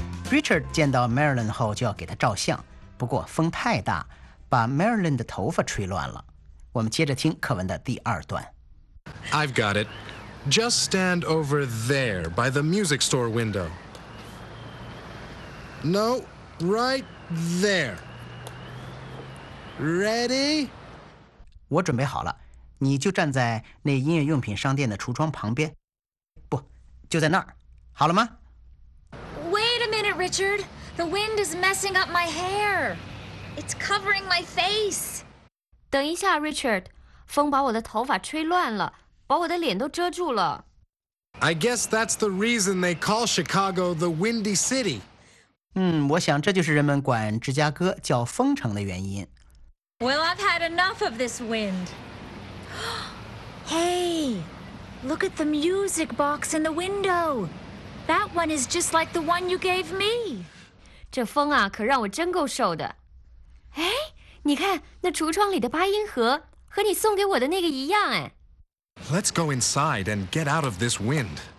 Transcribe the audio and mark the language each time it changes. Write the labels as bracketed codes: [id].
[zh] Richard 见到 Marilyn 后就要给她照相，不过风太大，把 Marilyn 的头发吹乱了。我们接着听课文的第二段。 [en] I've got it. Just stand over there by the music store window. No, right there. Ready? [zh] 我准备好了，你就站在那音乐用品商店的橱窗旁边。不，就在那儿。好了吗？ [en] Wait a minute, Richard. The wind is messing up my hair. It's covering my face. [zh] 等一下 ，Richard， 风把我的头发吹乱了。把我的脸都遮住了。 [en] I guess that's the reason they call Chicago the Windy City. [zh] 嗯，我想这就是人们管芝加哥叫风城的原因。 [en] Well, I've had enough of this wind. Hey, look at the music box in the window. That one is just like the one you gave me. [zh] 这风啊，可让我真够受的。哎，你看那橱窗里的八音盒，和你送给我的那个一样哎。 [en] Let's go inside and get out of this wind.